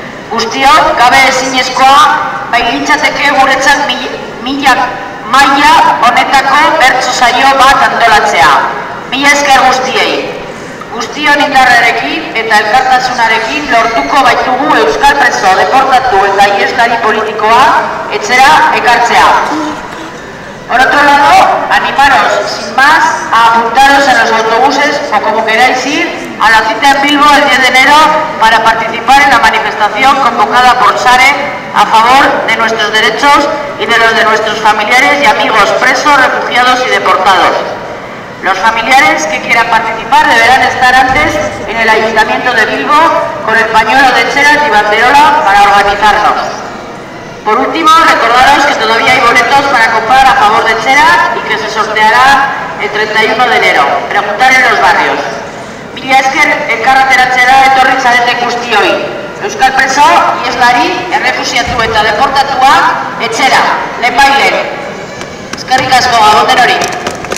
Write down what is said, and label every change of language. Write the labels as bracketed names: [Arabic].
[Basque] Guztiok gabe ezinezkoa bailitzateke guretzat mila maila honetako bertso saio bat antolatzea. Mila esker guztiei. Guztion indarrarekin eta elkartasunarekin lortuko baitugu euskal preso deportatu eta ieslari politikoa etxera ekartzea. [Spanish] Por otro lado, animaros sin más a apuntaros en los autobuses o como queráis ir a la cita en Bilbo el 10 de enero para participar en la manifestación convocada por SARE a favor de nuestros derechos y de los de nuestros familiares y amigos presos, refugiados y deportados. Los familiares que quieran participar deberán estar antes en el Ayuntamiento de Bilbo con el pañuelo de cheras y banderola para organizarnos. Por último, recordaros que todavía hay boletos para comprar a favor de cheras y que se sorteará el 31 de enero. Preguntar en los barrios. [Basque] Mila esker elkarreteratzera etorri zarete guztioi. Euskal preso, ieslari, errefusiatu eta deportatua, etxera, lehenbailehen. Eskerrik asko, gabon denori.